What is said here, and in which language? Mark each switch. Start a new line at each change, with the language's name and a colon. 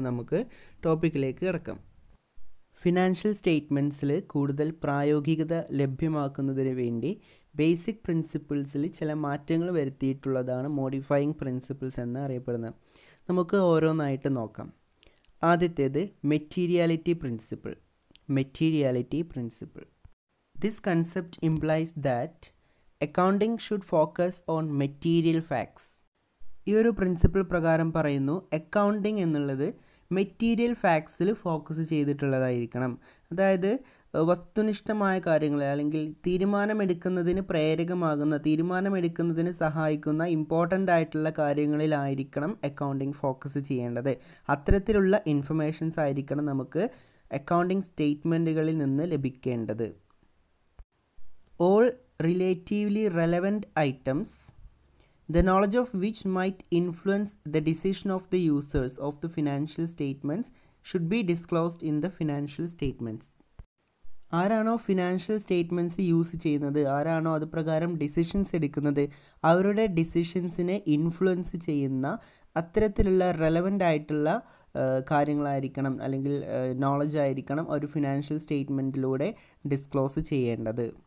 Malayalam: നമുക്ക് ടോപ്പിക്കിലേക്ക് കടക്കാം. ഫിനാൻഷ്യൽ സ്റ്റേറ്റ്മെൻറ്റ്സിൽ കൂടുതൽ പ്രായോഗികത ലഭ്യമാക്കുന്നതിന് വേണ്ടി ബേസിക് പ്രിൻസിപ്പിൾസിൽ ചില മാറ്റങ്ങൾ വരുത്തിയിട്ടുള്ളതാണ് മോഡിഫൈയിങ് പ്രിൻസിപ്പിൾസ് എന്ന് അറിയപ്പെടുന്നത്. നമുക്ക് ഓരോന്നായിട്ട് നോക്കാം. ആദ്യത്തേത് materiality principle. Materiality principle.
English: This concept implies that accounting should focus on material facts.
Malayalam: ഈ ഒരു പ്രിൻസിപ്പിൾ പ്രകാരം പറയുന്നു, അക്കൗണ്ടിങ് എന്നുള്ളത് മെറ്റീരിയൽ ഫാക്ട്സിൽ ഫോക്കസ് ചെയ്തിട്ടുള്ളതായിരിക്കണം. അതായത് വസ്തുനിഷ്ഠമായ കാര്യങ്ങൾ, അല്ലെങ്കിൽ തീരുമാനമെടുക്കുന്നതിന് പ്രേരകമാകുന്ന, തീരുമാനമെടുക്കുന്നതിന് സഹായിക്കുന്ന ഇമ്പോർട്ടൻ്റ് ആയിട്ടുള്ള കാര്യങ്ങളിലായിരിക്കണം അക്കൗണ്ടിങ് ഫോക്കസ് ചെയ്യേണ്ടത്. അത്തരത്തിലുള്ള ഇൻഫർമേഷൻസ് ആയിരിക്കണം നമുക്ക് അക്കൗണ്ടിങ് സ്റ്റേറ്റ്മെൻറ്റുകളിൽ നിന്ന് ലഭിക്കേണ്ടത്.
English: All relatively relevant items, the knowledge of which might influence the decision of the users of the financial statements, should be disclosed in the financial statements.
Malayalam: ആരാണോ financial statements use ചെയ്യുന്നത്, ആരാണോ അത് പ്രകാരം decisions എടുക്കുന്നത്, അവരുടെ ഡിസിഷൻസിനെ influence ചെയ്യുന്ന അത്തരത്തിലുള്ള relevant ആയിട്ടുള്ള കാര്യങ്ങളായിരിക്കണം, അല്ലെങ്കിൽ നോളജ് ആയിരിക്കണം ഒരു ഫിനാൻഷ്യൽ സ്റ്റേറ്റ്മെൻറ്റിലൂടെ ഡിസ്ക്ലോസ് ചെയ്യേണ്ടത്.